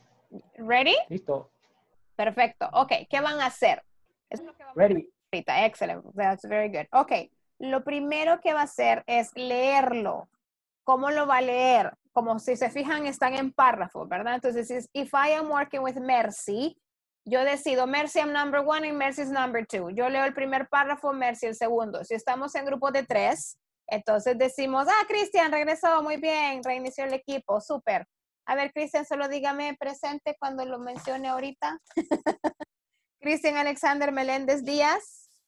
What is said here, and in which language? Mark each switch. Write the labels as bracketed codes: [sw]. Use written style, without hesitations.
[en] Yeah. Ready? [es] Listo. Perfecto. Okay, ¿qué van a hacer? Es lo que vamos Ready. A hacer ahorita. [en] Excellent. That's very good. Okay. [es] Lo primero que va a hacer es leerlo. ¿Cómo lo va a leer? Como si se fijan, están en párrafo, ¿verdad? [en] Entonces, if I am working with Mercy, [es] yo decido, [en] Mercy, I'm number one and Mercy is number two. [es] Yo leo el primer párrafo, Mercy el segundo. Si estamos en grupo de tres, entonces decimos, ah, Cristian, regresó, muy bien, reinició el equipo, súper. A ver, Cristian, solo dígame presente cuando lo mencione ahorita. Cristian Alexander Meléndez Díaz.